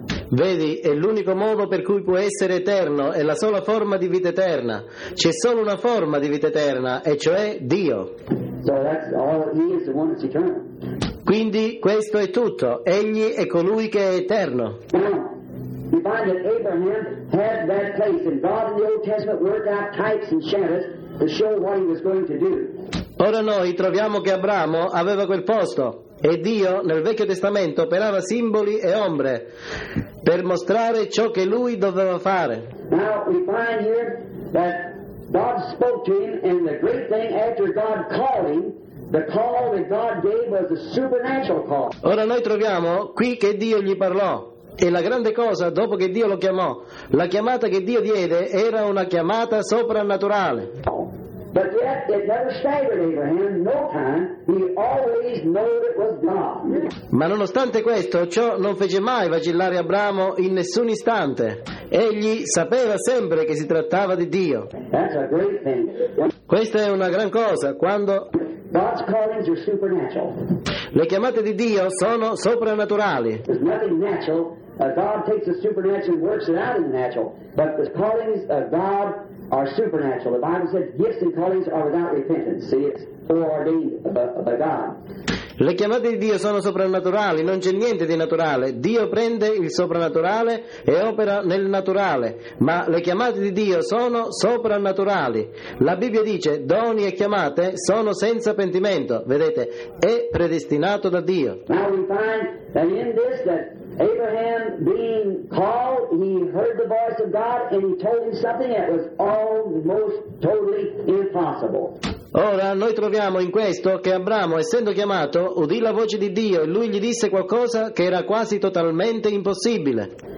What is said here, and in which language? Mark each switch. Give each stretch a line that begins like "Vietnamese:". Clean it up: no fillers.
Italian: Vedi, è l'unico modo per cui può essere eterno, è la sola forma di vita eterna. C'è solo una forma di vita eterna, e cioè Dio.
English: So that's all he is, the one that's eternal.
Italian: Quindi questo è tutto, egli è colui che è eterno.
English: We find that Abraham had that place, and God in the Old Testament worked out types and shadows to show what he was going to do.
Italian: Ora noi troviamo che Abramo aveva quel posto, e Dio nel Vecchio Testamento operava simboli e ombre per mostrare ciò che lui doveva fare.
English: Now we find here that God spoke to him, and the great thing after God calling. The call that God gave was a supernatural call.
Italian: Ora noi troviamo qui che Dio gli parlò. E la grande cosa, dopo che Dio lo chiamò, la chiamata che Dio diede era una chiamata soprannaturale.
English: But yet it never staggered Abraham, no time. He always knew it was God.
Italian: Ma nonostante questo, ciò non fece mai vacillare Abramo in nessun istante. Egli sapeva sempre che si trattava di Dio.
English: That's a great thing.
Italian: Questa è una gran cosa, quando
English: God's callings are supernatural.
Italian: Le chiamate di Dio sono soprannaturali.
English: There's nothing natural. God takes the supernatural and works it out in the natural. But the callings of God are supernatural. The Bible says gifts and callings are without repentance. See, it's foreordained by God.
Italian: Le chiamate di Dio sono soprannaturali, non c'è niente di naturale. Dio prende il soprannaturale e opera nel naturale, ma le chiamate di Dio sono soprannaturali. La Bibbia dice, doni e chiamate sono senza pentimento, vedete, è predestinato da Dio.
English: Now we find that in this that Abraham being called, he heard the voice of God and he told him something that was almost totally impossible.
Italian: Ora noi troviamo in questo che Abramo, essendo chiamato, udì la voce di Dio e lui gli disse qualcosa che era quasi totalmente impossibile.